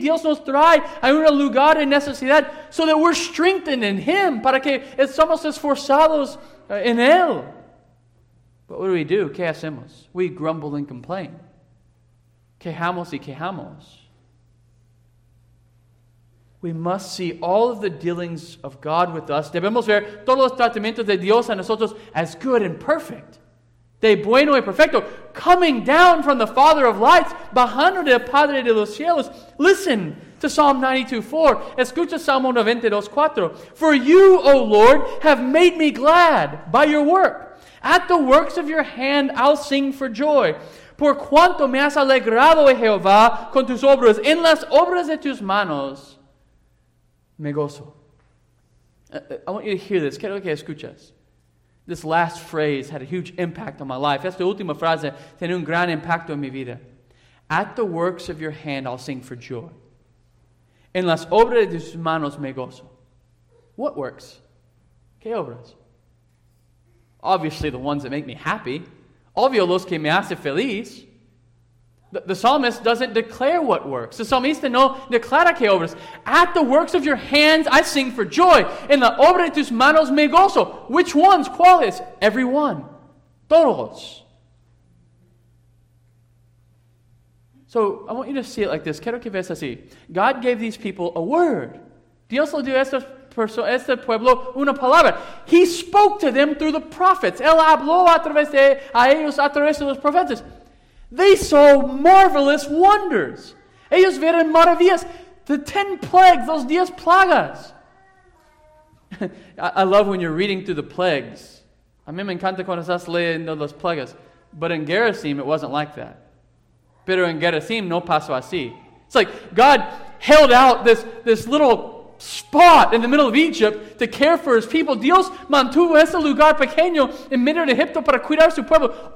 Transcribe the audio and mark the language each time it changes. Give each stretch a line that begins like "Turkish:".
Spanish: Dios nos trae a un lugar de necesidad
English: so that we're strengthened in Him.
Spanish: Para que somos esforzados en Él.
English: But what do?
Spanish: ¿Qué hacemos?
English: We grumble and complain.
Spanish: Quejamos y quejamos.
English: We must see all of the dealings of God with us.
Spanish: Debemos ver todos los tratamientos de Dios a nosotros
English: as good and perfect.
Spanish: De bueno y perfecto.
English: Coming down from the Father of lights,
Spanish: bajando del Padre de los cielos.
English: Listen to Psalm 92:4.
Spanish: Escucha Salmo 92:4.
English: For you, O Lord, have made me glad by your work. At the works of your hand, I'll sing for joy.
Spanish: Por cuanto me has alegrado, Jehová, con tus obras, en las obras de tus manos, me gozo.
English: I want you to hear this.
Spanish: Quiero que escuches.
English: This last phrase had a huge impact on my life.
Spanish: Esta última frase tiene un gran impacto en mi vida.
English: At the works of your hand, I'll sing for joy.
Spanish: En las obras de tus manos, me gozo.
English: What works?
Spanish: ¿Qué obras?
English: Obviously, the ones that make me happy.
Spanish: Obvio, los que me hace feliz.
English: The psalmist doesn't declare what works. The
Spanish: psalmista no declara qué obras.
English: At the works of your hands, I sing for joy.
Spanish: En la obra de tus manos, me gozo.
English: Which ones?
Spanish: ¿Cuáles?
English: Every one.
Spanish: Todos.
English: So, I want you to see it like this.
Spanish: Quiero que veas así.
English: God gave these people a word.
Spanish: Dios lo dio a estos este pueblo una palabra.
English: He spoke to them through the prophets.
Spanish: Él habló a través de a ellos a través de los profetas.
English: They saw marvelous wonders.
Spanish: Ellos vieron maravillas.
English: The 10 plagues, those 10 plagas. I love when you're reading through the plagues.
Spanish: A mí me encanta cuando estás leyendo las plagas.
English: But in Gerasim, it wasn't like that.
Spanish: Pero en Gerasim, no pasó así.
English: It's like God held out this little spot in the middle of Egypt to care for His people.
Spanish: Dios mantuvo ese lugar pequeño en medio de Egipto para cuidar su pueblo.